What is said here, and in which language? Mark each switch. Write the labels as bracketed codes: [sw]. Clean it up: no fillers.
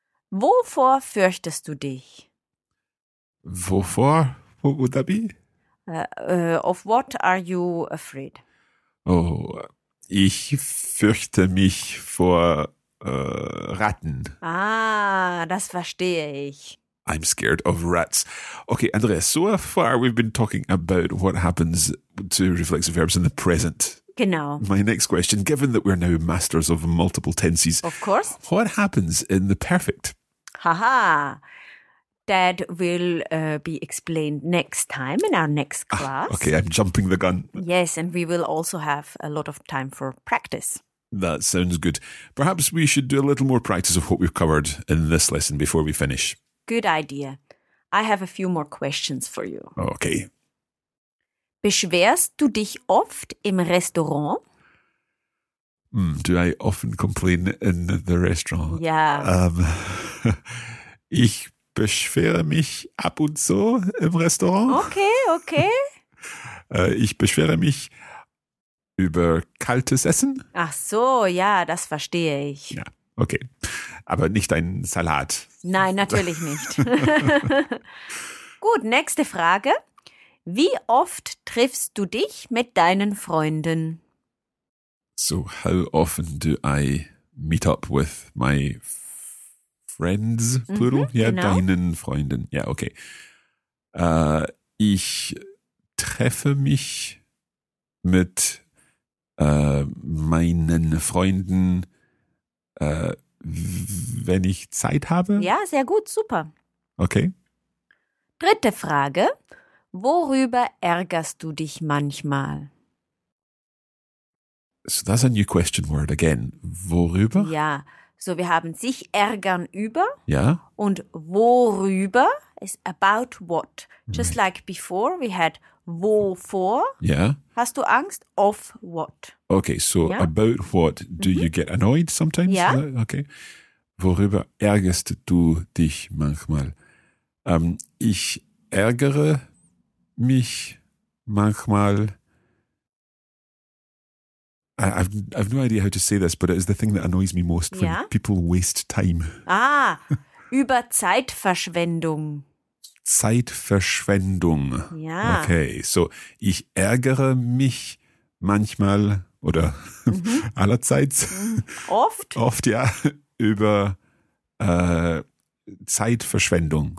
[de] Wovor fürchtest du dich? [en] Wovor? What would that be? Of what are you afraid? [de] Oh, ich fürchte mich vor Ratten. Ah, das verstehe ich. [en] I'm scared of rats. Okay, Andreas, so far we've been talking about what happens to reflexive verbs in the present. [de] Genau. [en] My next question, given that we're now masters of multiple tenses. Of course. What happens in the perfect? Haha. That will be explained next time in our next class. Okay, I'm jumping the gun. Yes, and we will also have a lot of time for practice. That sounds good. Perhaps we should do a little more practice of what we've covered in this lesson before we finish. Good idea. I have a few more questions for you. Okay. [de] Beschwerst du dich oft im Restaurant? [en] Do I often complain in the restaurant? [de] Ja. Ich beschwere mich ab und zu im Restaurant. [en] Okay, okay. [de] Ich beschwere mich über kaltes Essen. Ach so, ja, das verstehe ich. Ja, okay. Aber nicht ein Salat. Nein, natürlich nicht. Gut, nächste Frage. Wie oft triffst du dich mit deinen Freunden? [en] So, how often do I meet up with my friends, plural? Mhm, [de] ja, genau. Deinen Freunden. Ja, okay. Ich treffe mich mit meinen Freunden, wenn ich Zeit habe. Ja, sehr gut, super. [en] Okay. [de] Dritte Frage. Worüber ärgerst du dich manchmal? [en] So that's a new question word again. [de] Worüber? Ja, so wir haben sich ärgern über. Ja. Und worüber [en] is about what. Just right. Like before, we had wovor. [de] Ja. Hast du Angst? [en] Of what. Okay, so ja. About what do you get annoyed sometimes? [de] Ja. [en] Okay. [de] Worüber ärgerst du dich manchmal? Ich ärgere mich manchmal. [en] I've no idea how to say this, but it is the thing that annoys me most when yeah? people waste time. [de] Ah, über Zeitverschwendung. Zeitverschwendung. Ja. Okay, so ich ärgere mich manchmal oder allerseits. Oft? Oft, ja, über Zeitverschwendung.